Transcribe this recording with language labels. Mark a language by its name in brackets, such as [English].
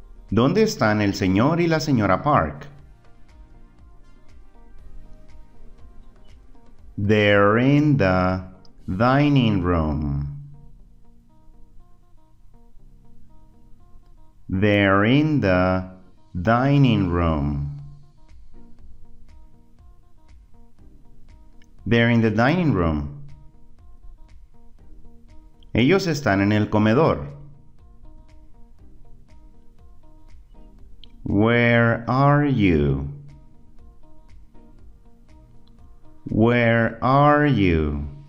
[Spanish] ¿Dónde están el señor y la señora Park? [English] They're in the dining room. They're in the dining room. They're in the dining room. [Spanish] Ellos están en el comedor. [English] Where are you? Where are you?